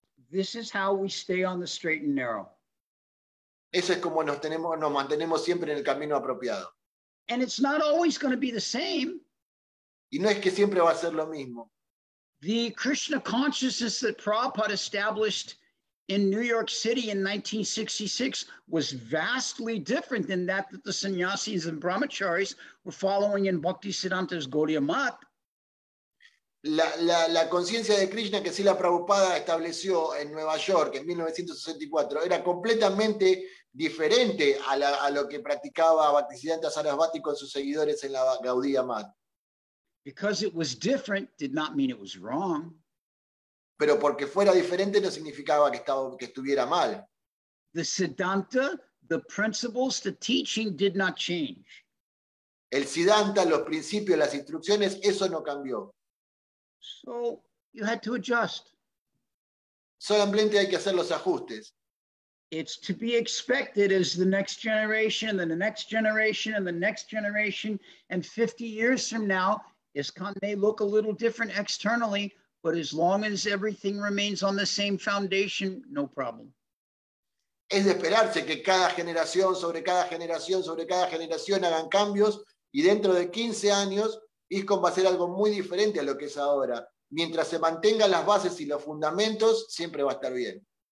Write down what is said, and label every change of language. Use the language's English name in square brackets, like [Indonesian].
[English] This is how we stay on the straight and narrow. [Spanish] Eso es como nos mantenemos siempre en el camino apropiado. [English] And it's not always going to be the same. [Spanish] Y no es que siempre va a ser lo mismo. [English] The Krishna consciousness that Prabhupada established in New York City in 1966 was vastly different than that the sannyasis and brahmacharis were following in Bhaktisiddhanta's Gaudiya Math. [Spanish] La conciencia de Krishna que Srila Prabhupada estableció en Nueva York en 1964 era completamente diferente a lo que practicaba Bhaktisiddhanta Sarasvati con sus seguidores en la Gaudiya Math. [English] Because it was different did not mean it was wrong. [Spanish] Pero porque fuera diferente no significaba que estuviera mal. [English] The Siddhanta, the principles, the teaching did not change. [Spanish] El Siddhanta, los principios, las instrucciones, eso no cambió. [English] So you had to adjust. [Spanish] Solamente hay que hacer los ajustes. [English] It's to be expected as the next generation, and then the next generation, and the next generation, and 50 years from now, ISKCON may look a little different externally, but as long as everything remains on the same foundation, no problem. [Spanish] Es de esperarse que cada generación sobre cada generación sobre cada generación hagan cambios, y dentro de 15 años ISKCON va a ser algo muy diferente a lo que es ahora. Mientras se mantengan las bases y los fundamentos, siempre va a estar bien.